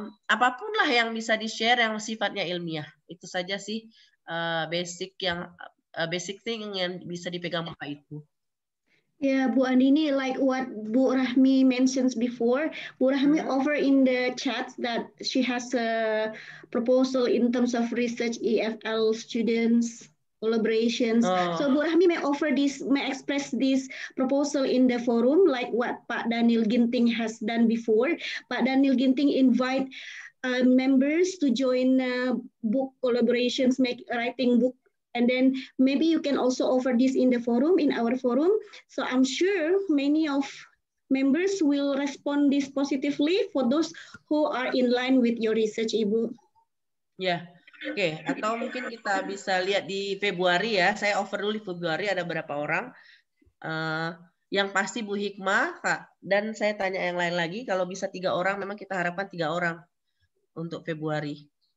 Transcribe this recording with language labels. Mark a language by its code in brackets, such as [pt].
[id] Apapunlah yang bisa di-share yang sifatnya ilmiah. Itu saja sih basic thing yang bisa dipegang Bapak itu. [en] Ya, Bu Andini, like what Bu Rahmi mentions before, Bu Rahmi offer in the chat that she has a proposal in terms of research EFL students collaborations. Oh. So Bu Rahmi may express this proposal in the forum, like what Pak Daniel Ginting has done before. Pak Daniel Ginting invite members to join book collaborations, writing book. And then maybe you can also offer this in the forum, in our forum. So I'm sure many of members will respond this positively for those who are in line with your research, Ibu. Yeah. Okay. [id] Atau mungkin kita bisa lihat di Februari ya. Saya offer dulu di Februari ada berapa orang. Yang pasti Bu Hikmah, Kak. Dan saya tanya yang lain lagi. Kalau bisa 3 orang, memang kita harapkan 3 orang untuk Februari.